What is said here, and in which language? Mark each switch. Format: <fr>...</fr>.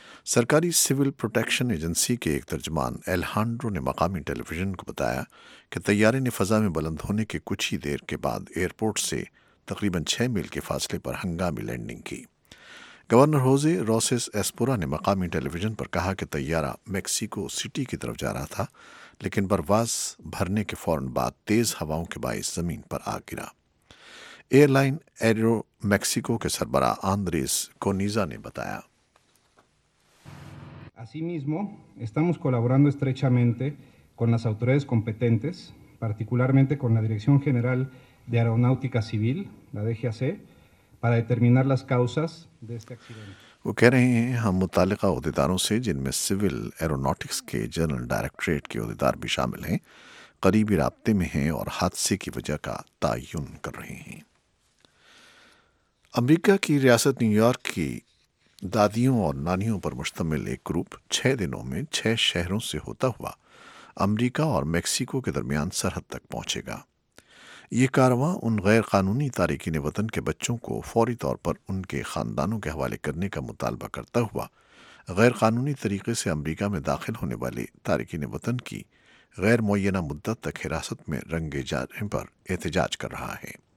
<ur>سرکاری civil protection agency کے ایک ترجمان الہانڈرو نے مقامی ٹیلی ویژن کو بتایا کہ طیارے نے فضا میں بلند ہونے کے کچھ ہی دیر کے بعد ایئرپورٹ سے تقریباً 6 میل کے فاصلے پر ہنگامی لینڈنگ کی۔ گورنر ہوزے روسیس ایسپورا نے مقامی ٹیلی ویژن پر کہا کہ طیارہ میکسیکو سٹی کی طرف جا رہا تھا لیکن پرواز بھرنے کے فوراً بعد تیز ہواؤں کے باعث زمین پر آ گرا۔ ایئر لائن ایرو میکسیکو کے سربراہ آندریس کونیزا نے بتایا۔</ur> <es>Asimismo, estamos colaborando estrechamente con las autoridades competentes, particularmente con la Dirección General de Aeronáutica Civil, la DGAC, para determinar las causas de este accidente.</es> <ur>وہ کہہ رہے ہیں ہم متعلقہ عہدیداروں سے جن میں سول ایروناٹکس کے جنرل ڈائریکٹریٹ کے عہدیدار بھی شامل ہیں قریبی رابطے میں ہیں اور حادثے کی وجہ کا تعین کر رہے ہیں۔ امریکہ کی ریاست نیو یارک کی دادیوں اور نانیوں پر مشتمل ایک گروپ 6 دنوں میں 6 شہروں سے ہوتا ہوا امریکہ اور میکسیکو کے درمیان سرحد تک پہنچے گا۔ یہ کارواں ان غیر قانونی تارکین وطن کے بچوں کو فوری طور پر ان کے خاندانوں کے حوالے کرنے کا مطالبہ کرتا ہوا غیر قانونی طریقے سے امریکہ میں داخل ہونے والے تارکین وطن کی غیر معینہ مدت تک حراست میں رنگے جانے پر احتجاج کر رہا ہے۔</ur>